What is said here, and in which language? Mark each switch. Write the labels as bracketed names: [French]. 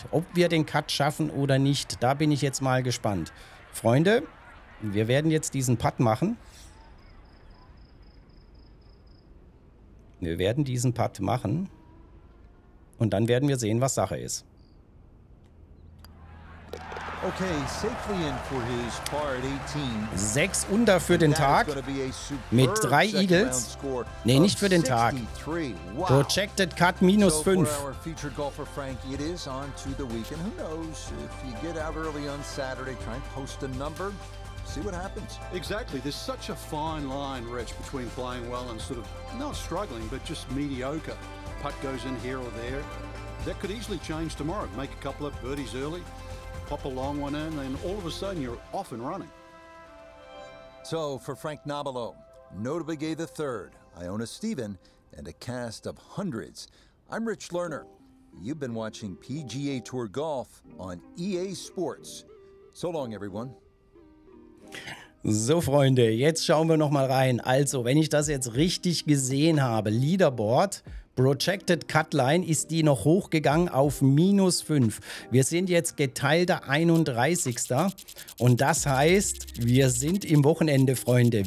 [German] Ob wir den Cut schaffen oder nicht. Da bin ich jetzt mal gespannt. Freunde, wir werden jetzt diesen Putt machen. Wir werden diesen Putt machen und dann werden wir sehen, was Sache ist. [English] Okay, safely in for his par at 18. [German] 6 unter für den Tag mit 3 Eagles. Nee, nicht für den Tag. Wow. [English] Projected Cut minus 5. So for our featured golfer Frank, it is on to the weekend. Who knows, if you get out early on Saturday, try and post a number. See what happens. Exactly. There's such a fine line, Rich, between playing well and sort of not struggling, but just mediocre. putt goes in here or there. That could easily change tomorrow. Make a couple of birdies early, pop a long one in, and all of a sudden you're off and running. So for Frank Nabilo, Notabegay III, Iona Stephen, and a cast of hundreds, I'm Rich Lerner. You've been watching PGA Tour Golf on EA Sports. So long, everyone. [German] So, Freunde, jetzt schauen wir nochmal rein. Also, wenn ich das jetzt richtig gesehen habe, Leaderboard, Projected Cutline, ist die noch hochgegangen auf minus 5. Wir sind jetzt geteilter 31. Und das heißt, wir sind im Wochenende, Freunde.